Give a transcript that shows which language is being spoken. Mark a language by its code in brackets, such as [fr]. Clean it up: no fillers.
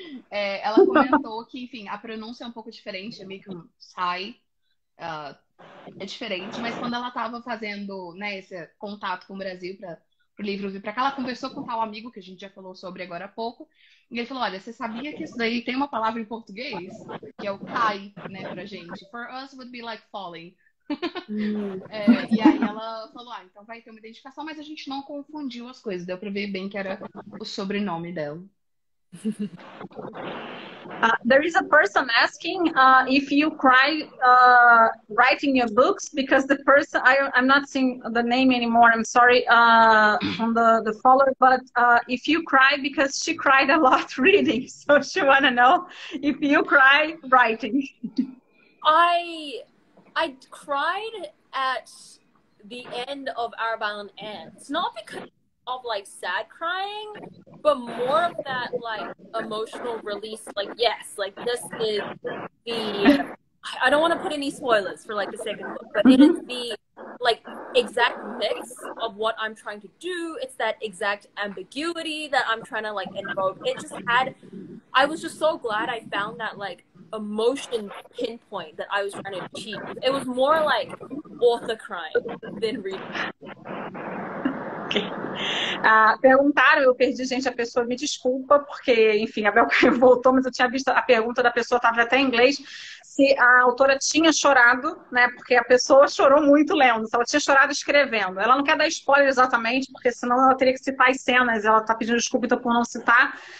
[pt] É, ela comentou que, enfim, a pronúncia é um pouco diferente, é meio que um sai, é diferente, mas quando ela estava fazendo, né, esse contato com o Brasil para o livro vir para cá, ela conversou com tal amigo que a gente já falou sobre agora há pouco, e ele falou, olha, você sabia que isso daí tem uma palavra em português, que é o cai, né, pra gente. [en] For us would be like falling. [pt] É, e aí ela falou, ah, então vai ter uma identificação, mas a gente não confundiu as coisas, deu para ver bem que era o sobrenome dela. [en] There is a person asking if you cry writing your books, because the person, I'm not seeing the name anymore, I'm sorry, from the follower, but if you cry, because she cried a lot reading, so she wanna know if you cry writing. I cried at the end of Arabian Ants, not because of like sad crying, but more of that like emotional release, like yes, like this is the, I don't want to put any spoilers for like the sake of the book, but it is the like exact mix of what I'm trying to do. It's that exact ambiguity that I'm trying to like invoke. It just had, I was just so glad I found that like emotion pinpoint that I was trying to achieve. It was more like author crying than reading. Okay. [pt] Perguntaram, eu perdi, gente, a pessoa me desculpa, porque, enfim, a Bel voltou, mas eu tinha visto a pergunta da pessoa, estava até em inglês, se a autora tinha chorado, né, porque a pessoa chorou muito lendo, se ela tinha chorado escrevendo. Ela não quer dar spoiler exatamente, porque senão ela teria que citar as cenas, ela está pedindo desculpa então, por não citar.